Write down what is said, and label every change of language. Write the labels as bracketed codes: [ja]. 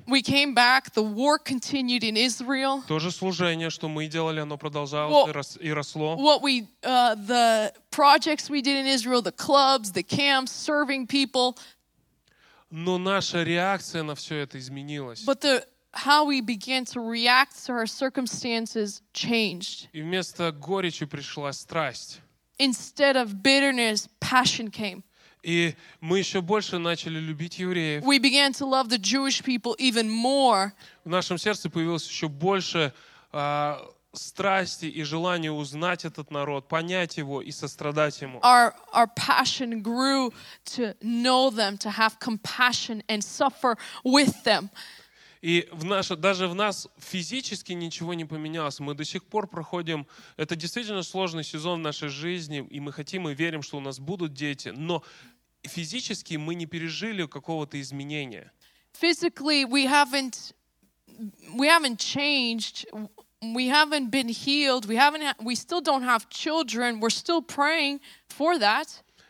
[en] We came back, the war continued in Israel. [ru] То же служение, что мы делали, оно продолжалось и росло. [en] What we the projects we did in Israel, the clubs, the camps, serving people. [ru] Но наша реакция на все это изменилась. [en] But how we began to react to our circumstances changed. [ru] И вместо горечи пришла страсть. [en] Instead of bitterness, passion came. [ru] И мы еще больше начали любить евреев. [en] We began to love the Jewish people even more. [ru] В нашем сердце появилось еще больше страсти и желания узнать этот народ, понять его и сострадать ему. [en] Our passion grew to know them, to have compassion and suffer with them. [ru] И даже в нас физически ничего не поменялось. Мы до сих пор проходим... Это действительно сложный сезон в нашей жизни, и мы хотим и верим, что у нас будут дети, но физически мы не пережили какого-то изменения. [en] Physically we haven't changed. We haven't been healed. We still don't have children. We're still praying for that.